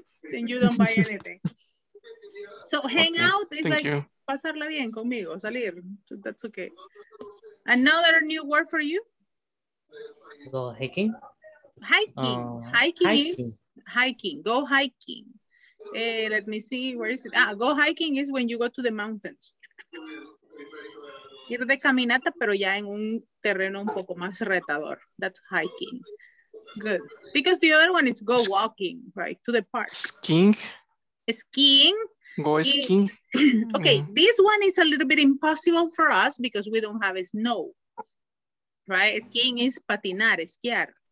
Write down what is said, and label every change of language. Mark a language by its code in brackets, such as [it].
[en] Then you don't buy anything. So hang out is like [es] pasarla bien conmigo, salir. [en] That's okay. Another new word for you? Go hiking. Hiking. Go hiking. Let me see, where is it? Ah, go hiking is when you go to the mountains. [es] Ir de caminata, pero ya en un terreno un poco más retador. [en] That's hiking. Good. Because the other one is go walking, right? To the park. Skiing. Skiing. Go skiing. Okay, this one is a little bit impossible for us because we don't have snow, right? Skiing is [es] patinar, esquiar.